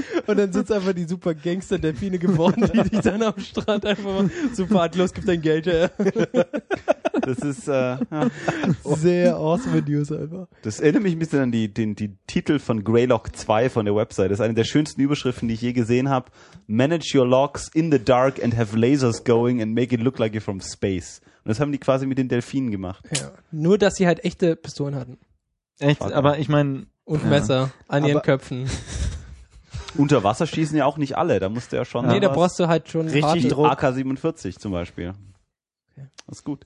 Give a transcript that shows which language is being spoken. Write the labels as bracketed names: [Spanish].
[German] Und dann sind es einfach die super Gangster-Delfine geworden, die sich dann am Strand einfach mal super hart los, gibt dein Geld her. Das ist sehr awesome News einfach. Das erinnert mich ein bisschen an die Titel von Greylock 2 von der Website. Das ist eine der schönsten Überschriften, die ich je gesehen habe. [English] Manage your locks in the dark and have lasers going and make it look like you're from space. [German] Und das haben die quasi mit den Delfinen gemacht. Ja. Nur, dass sie halt echte Pistolen hatten. Echt? Warte. Aber ich meine... Und Messer ja. an ihren aber Köpfen. Unter Wasser schießen ja auch nicht alle. Da musst du ja schon... Nee, da brauchst du halt schon... Richtig Druck. AK-47 zum Beispiel. Das ist gut.